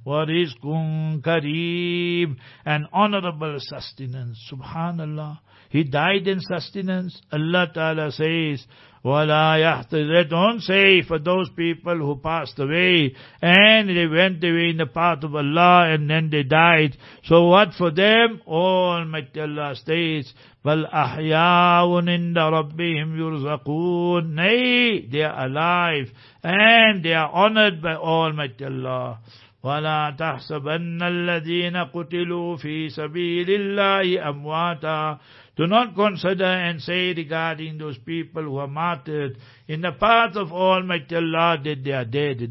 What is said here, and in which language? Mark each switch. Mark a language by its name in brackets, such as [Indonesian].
[Arabic] وَرِزْقٌ كَرِيمٌ, [English] and honorable sustenance. Subhanallah. He died in sustenance. Allah Ta'ala says, [Arabic] وَلَا يَحْتَرِ. [English] Don't say for those people who passed away and they went away in the path of Allah and then they died. So what for them? [Arabic] Almighty Allah states, بَلْ أَحْيَاءٌ عِنْدَ رَبِّهِمْ يُرْزَقُونَ. [English] Nay, they are alive and they are honored by Almighty Allah. [Arabic] وَلَا تَحْسَبَنَّ الَّذِينَ قُتِلُوا فِي سَبِيلِ اللَّهِ أَمْوَاتًا. [English] Do not consider and say regarding those people who are martyred in the path of Almighty Allah that they are dead.